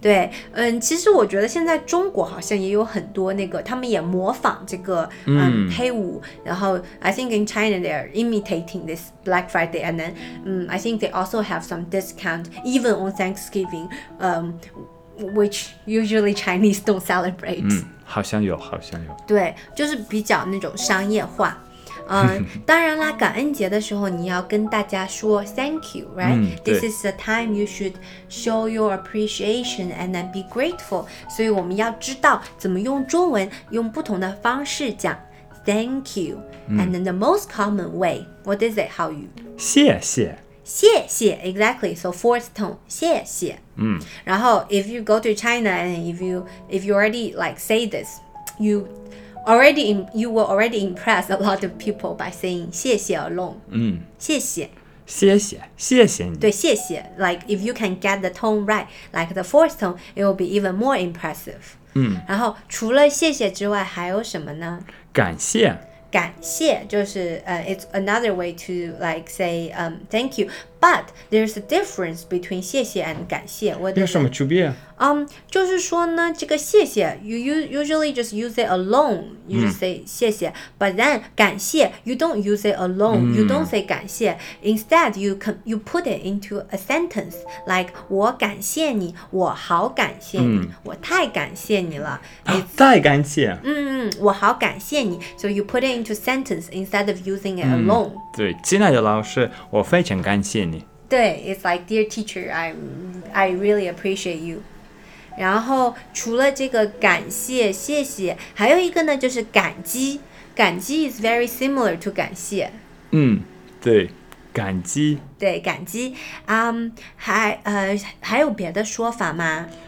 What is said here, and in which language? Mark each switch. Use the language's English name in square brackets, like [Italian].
[Chinese] 对，嗯，其实我觉得现在中国好像也有很多那个，他们也模仿这个，黑五，然后 [English] I think in China they are imitating this Black Friday， and then， I think they also have some discount even on Thanksgiving， which usually Chinese don't celebrate， [Chinese] 好像有，好像有，对，就是比较那种商业化。当然啦，感恩节的时候你要跟大家说 thank you， right？ [English] This is the time you should show your appreciation and then be grateful。 [Chinese] 所以我们要知道怎么用中文用不同的方式讲 thank you。 [English] And then the most common way， what is it， 浩宇？ [Chinese] 谢谢， [English] 谢谢， exactly， so fourth tone， 谢谢。然后 if you go to China and if you already like say this， you will already impress a lot of people by saying 谢谢 alone。 [Chinese] 谢谢，谢谢，谢谢你。对，谢谢。 [English] Like if you can get the tone right, like the fourth tone, it will be even more impressive。 [Chinese] 然后除了谢谢之外，还有什么呢？感谢。感谢就是 [English] it's another way to like say thank you. But there's a difference between 谢谢 and 感谢。 [Chinese] 有什么区别？就是说呢，这个谢谢 [English] you usually just use it alone. You just say 谢谢。 But then 感谢 you don't use it alone. You don't say 感谢。Instead, you put it into a sentence. [Chinese] Like 我感谢你，我好感谢你，我太感谢你了。太感谢。我好感谢你。 [English] So you put it into sentence instead of using it alone. [Chinese] 对，亲爱的老师，我非常感谢你。 [English] 对 ，It's like dear teacher, I really appreciate you. [Chinese] 然后除了这个感谢谢谢还有一个呢就是感激，感激 is very similar to 感谢。对，感激，对，感激。还有别的说法吗？